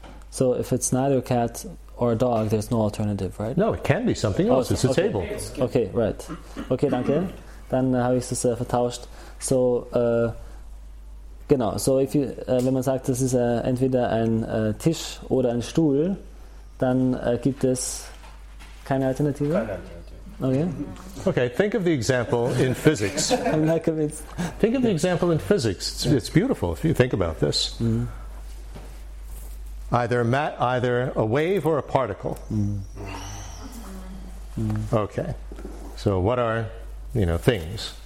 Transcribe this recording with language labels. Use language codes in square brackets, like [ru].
[en] So if it's neither a cat or a dog, there's no alternative, right? No, it can be something else. Okay. It's a okay. Table. Okay, right. Okay, [de] danke. Dann habe ich es vertauscht. So, genau. So, wenn man sagt, das ist entweder ein Tisch oder ein Stuhl, dann gibt es keine Alternative. [en] Okay. Okay. Think of the example in physics. I'm not convinced. Think of the example in physics. It's beautiful if you think about this. Mm. Either a wave or a particle. Mm. Mm. Okay. So, what are things?